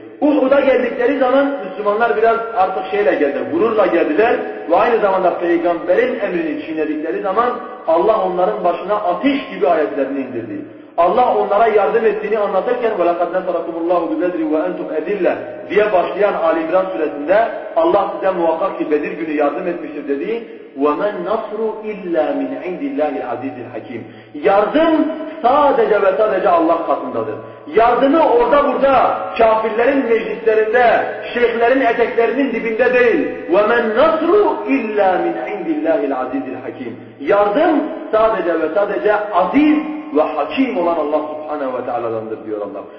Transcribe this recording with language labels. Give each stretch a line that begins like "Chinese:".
Turkish: Uhud'a geldikleri zaman Müslümanlar biraz artık şeyle geldi, gururla geldiler ve aynı zamanda Peygamber'in emrini çiğnedikleri zaman Allah onların başına ateş gibi ayetlerini indirdi. Allah onlara yardım ettiğini anlatırken
Arabic: وَلَقَدْ نَسَرَكُمُ اللّٰهُ بِذَدْرِ وَاَنْتُمْ اَدِلَّ
Turkish: diye başlayan Âl-i İmrân suresinde Allah size muhakkak ki Bedir günü yardım etmiştir dedi.
Arabic: وَمَنْ نَصْرُ اِلَّا مِنْ عِنْدِ اللّٰهِ الْعَزِيزِ الْحَكِيمِ
Turkish: Yardım sadece ve sadece Allah katındadır. Yardımı orada burada kafirlerin meclislerinde, şeyhlerin eteklerinin dibinde değil.
Arabic: وَمَنْ نَصْرُ اِلَّا مِنْ عِنْدِ اللّٰهِ الْعَزِيزِ الْحَكِيمِ
Turkish: Yardım sadece ve sadece aziz ve hakim olan Allah subhanehu ve teala'dandır diyor Allah.